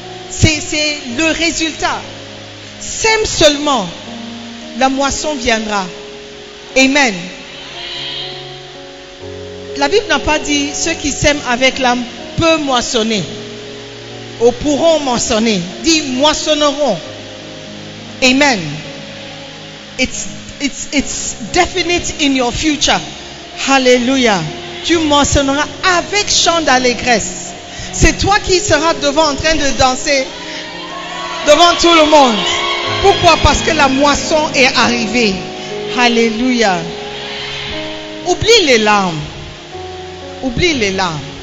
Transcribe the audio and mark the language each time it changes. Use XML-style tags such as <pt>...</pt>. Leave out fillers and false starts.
<fr>C'est le résultat. Sème seulement, la moisson viendra. Amen. La Bible n'a pas dit ceux qui sèment avec l'âme peuvent moissonner ou pourront moissonner. Dit moissonneront. Amen.</fr> <en>It's definite in your future. Hallelujah.</en> <fr>Tu moissonneras avec chant d'allégresse. C'est toi qui seras devant en train de danser devant tout le monde. Pourquoi? Parce que la moisson est arrivée. Alléluia. Oublie les larmes. Oublie les larmes.</fr>